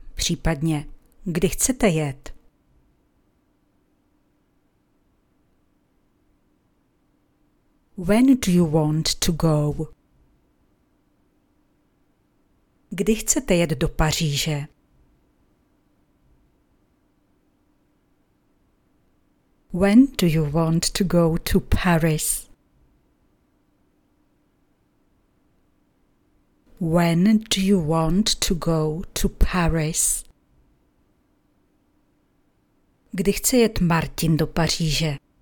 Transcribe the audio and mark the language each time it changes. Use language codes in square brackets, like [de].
[cs] Případně, kdy chcete jet? [en] When do you want to go? [cs] Kdy chcete jet do Paříže? [en] When do you want to go to Paris? When do you want to go to Paris? [cs] Kdy chce jet Martin do Paříže?